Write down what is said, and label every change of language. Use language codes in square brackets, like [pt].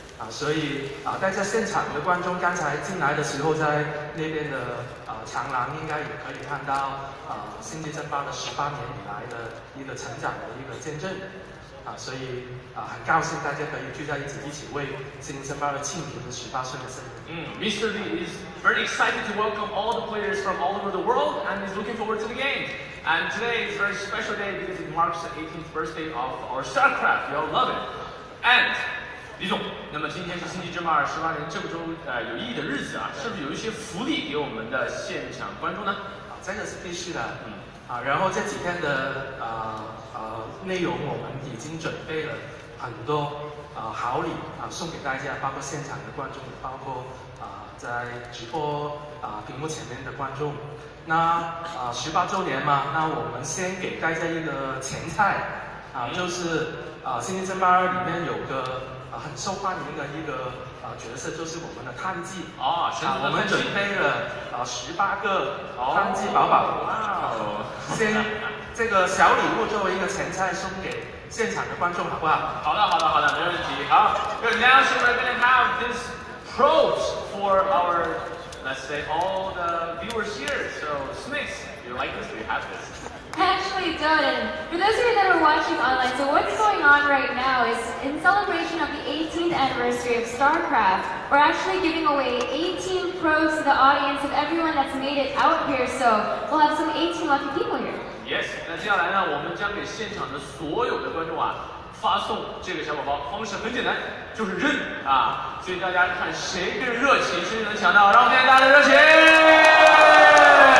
[zh] 所以大家现场的观众刚才进来的时候，在那边的长廊应该也可以看到悉尼争霸的18年以来的一个成长的一个见证所以很高兴大家可以聚在一起，一起为悉尼争霸的庆祝18岁的生日。 [en] Mr. Lee is very excited to welcome all the players from all over the world and is looking forward to the game. And today is a very special day because it marks the 18th birthday of our StarCraft. We all love it. [zh] And 李总，那么今天是悉尼争霸18年这个周有意义的日子是不是有一些福利给我们的现场观众呢？这个是必须的。然后这几天的内容我们已经准备了很多好礼送给大家，包括现场的观众，包括在直播屏幕前面的观众。那18周年嘛，那我们先给大家一个前菜就是悉尼争霸二里面有个很受欢迎的一个角色，就是我们的炭治我们准备了18个炭治宝宝先这个小礼物作为一个前菜送给现场的观众，好不好？好的好的好的，没问题。 [en] 好 good, now so we're going to have this probes for our let's say all the viewers here. So Snakes, do you like this? Do you have this? I actually don't. And for those of you that are watching online, so what's going on right now is in celebration of the 18th anniversary of StarCraft, we're actually giving away 18 probes to the audience of everyone that's made it out here, so we'll have some 18 lucky people here. [zh] Yes, 那接下来呢，我们将给现场的所有的观众发送这个小宝宝，方式很简单，就是扔所以大家看谁更热情，谁能抢到，让我们看大家的热情。